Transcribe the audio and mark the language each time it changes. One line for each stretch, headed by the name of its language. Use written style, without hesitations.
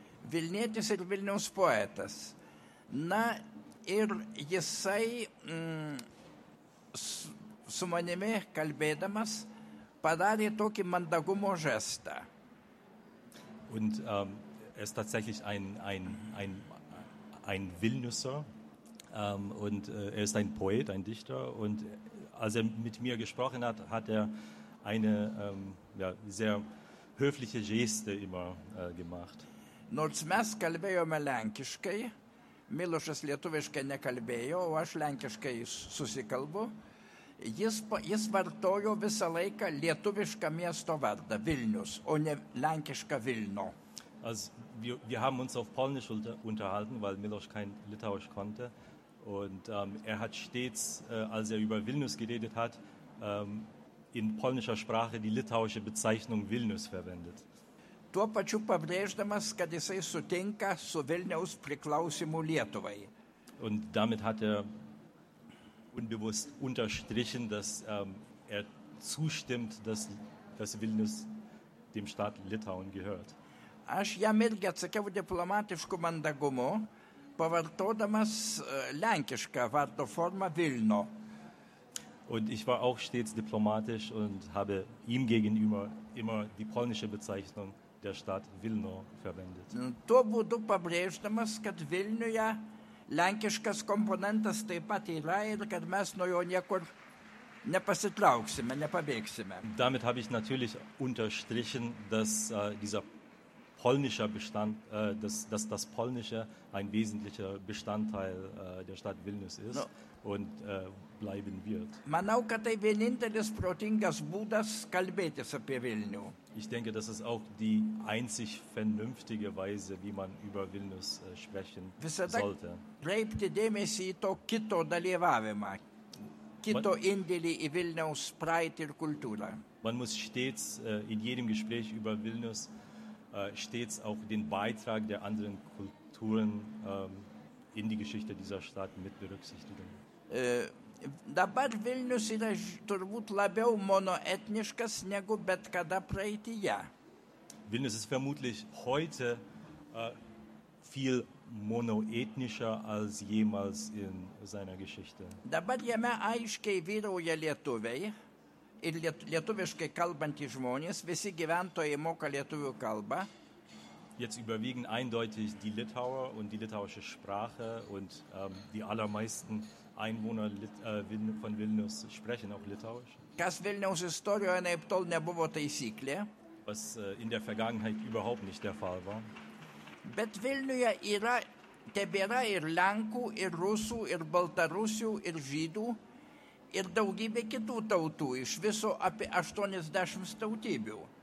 Lithuanian: Vilnietis ir Vilniaus poetas. Na, ir jisai su manimi kalbėdamas padarė tokį mandagumo žestą.
German: Und er ist tatsächlich ein Vilniuser und er ist ein Poet, ein Dichter. Und als er mit mir gesprochen hat, hat er eine sehr höfliche Geste immer gemacht.
Lithuanian: Nors mes kalbėjome lenkiškai, Milošas lietuviškai nekalbėjo, o aš lenkiškai susikalbu, jis vartojo visą laiką lietuvišką miesto vardą, Vilnius, o ne lenkišką Vilno.
German: Wir haben uns auf Polnisch unterhalten, weil Miloš kein Litauisch konnte. Und er hat stets, als er über Vilnius geredet hat, in polnischer Sprache die litauische Bezeichnung Vilnius verwendet.
Lithuanian: Tuo pačiu pabrėždamas, kad jisai sutinka su Vilniaus priklausimu Lietuvai.
German: Und damit hat er unbewusst unterstrichen, dass er zustimmt, dass Vilnius dem Staat Litauen gehört.
Lithuanian: Aš jam irgi atsakiau diplomatišku mandagumu, pavartodamas lenkišką vardo formą Vilno.
German: Und ich war auch stets diplomatisch und habe ihm gegenüber immer die polnische Bezeichnung der Stadt Vilno verwendet.
Lithuanian: Tuo būdu pabrėždamas, kad Vilniuje lenkiškas komponentas taip pat yra ir kad mes nuo jo niekur nepasitrauksime, nepabėgsime.
German: Damit habe ich natürlich unterstrichen, dass dieser polnische Bestand, dass das Polnische ein wesentlicher Bestandteil der Stadt Vilnius ist. Und bleiben wird.
Lithuanian: Manau, kad tai vienintelis protingas būdas kalbėtis apie Vilnių.
German: Ich denke, das ist auch die einzig vernünftige Weise, wie man über Vilnius sprechen
Lithuanian: Visada
German: sollte.
Lithuanian: Kreipti dėmesį į to kito dalyvavimą, kito indėlį į Vilniaus praeitį ir kultūrą.
German: Man muss stets in jedem Gespräch über Vilnius stets auch den Beitrag der anderen Kulturen in die Geschichte dieser Stadt mit berücksichtigen.
Lithuanian: Dabar Vilnius yra turbūt labiau monoetniškas negu bet kada praeityje.
German: Vilnius ist vermutlich heute viel monoethnischer als jemals in seiner Geschichte.
Lithuanian: Dabar jame aiškiai vyrauja lietuviai ir lietuviškai kalbantys žmonės, visi gyventojai moka lietuvių kalbą.
German: Jetzt überwiegen eindeutig die Litauer und die litauische Sprache und die allermeisten Einwohner von Vilnius sprechen auch Litauisch.
Lithuanian: Kas Vilniaus istorijoje taip tol nebuvo taisyklė.
German: Was in der Vergangenheit überhaupt nicht der Fall war.
Lithuanian: Bet Vilniuje yra, tebėra ir Lenkų, ir Rusų, ir Baltarusių, ir Žydų, ir daugybė kitų tautų, iš viso apie 80 tautybių.